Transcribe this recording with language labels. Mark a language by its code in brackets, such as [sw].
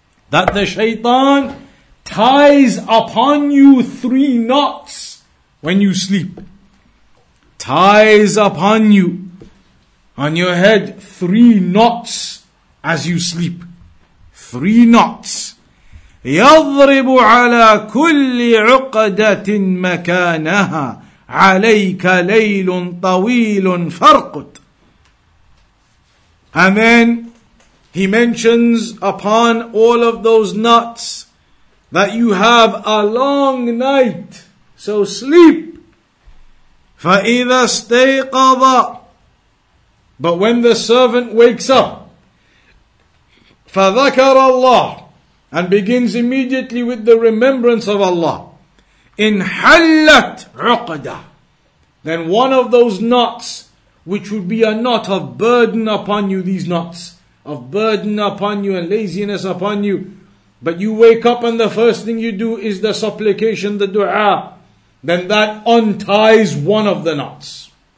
[en] That the shaitan ties upon you three knots when you sleep. Ties upon you, on your head, three knots as you sleep. Three knots. [ar] يضرب على كل عقدة مكانها عليك ليل طويل فرقد. [en] And then he mentions upon all of those knots that you have a long night, so sleep. [ar] فإذا استيقظ. [en] But when the servant wakes up, [ar] فَذَكَرَ اللَّهُ, [en] and begins immediately with the remembrance of Allah, [ar] إِنْ حَلَّتْ عُقْدَ, [en] then one of those knots, which would be a knot of burden upon you, these knots of burden upon you and laziness upon you, but you wake up and the first thing you do is the supplication, the dua, then that unties one of the knots.